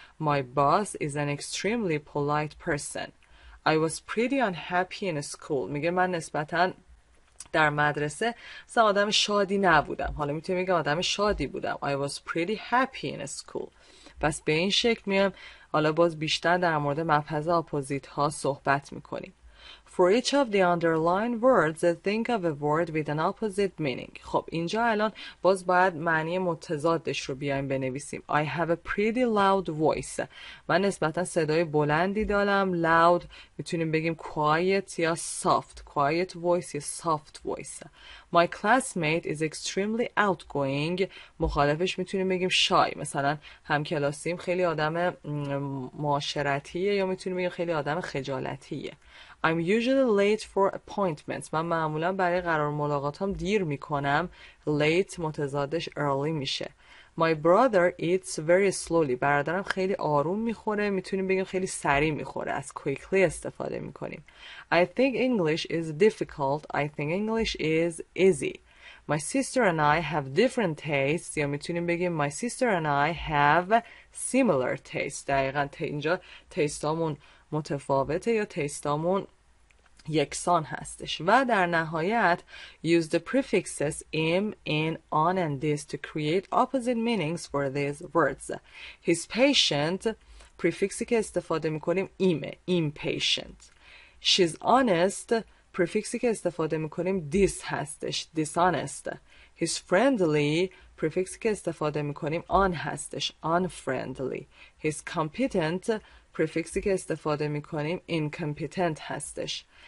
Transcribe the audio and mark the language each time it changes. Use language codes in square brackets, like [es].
[en] My boss is an extremely polite person. I was pretty unhappy in school. [fa] میگه من نسبتاً در مدرسه مثلا آدم شادی نبودم. حالا میتونیم بگم آدم شادی بودم. [en] I was pretty happy in school. [fa] بس به این شکل میام. حالا باز بیشتر در مورد مبحث اپوزیت ها صحبت میکنیم. [en] For each of the underlined words, think of a word with an opposite meaning. [fa] خب اینجا الان باز باید معنی متضادش رو بیایم بنویسیم. [en] I have a pretty loud voice. [fa] من نسبتا صدای بلندی دارم. [en] Loud [fa] میتونیم بگیم [en] quiet یا soft. Quiet voice یا soft voice. My classmate is extremely outgoing. [fa] مخالفش میتونیم بگیم [en] shy. [fa] مثلا همکلاسیم خیلی آدم معاشرتیه یا میتونیم بگیم خیلی آدم خجالتیه. [en] I'm usually late for appointments. [fa] من معمولا برای قرار ملاقاتام دیر میکنم. [en] Late متضادش early میشه. My brother eats very slowly. [fa] برادرم خیلی آروم میخوره. میتونیم بگیم خیلی سریع میخوره. از quickly استفاده میکنیم. [en] I think English is difficult. I think English is easy. My sister and I have different tastes. [fa] یا میتونیم بگیم [en] my sister and I have similar tastes. [fa] دقیقا اینجا تیستامون متفاوته یا تیستامون یکسان هستش. و در نهایت [en] use the prefixes im, in, on and this to create opposite meanings for these words. His patient [fa] پریفیکسی که استفاده میکنیم ایمه، impatient. She's honest، پریفیکسی که استفاده میکنیم dis هستش، dishonest. He's friendly، پریفیکسی که استفاده میکنیم on هستش، unfriendly. He's competent، پریفیکسی که استفاده میکنیم incompetent هستش.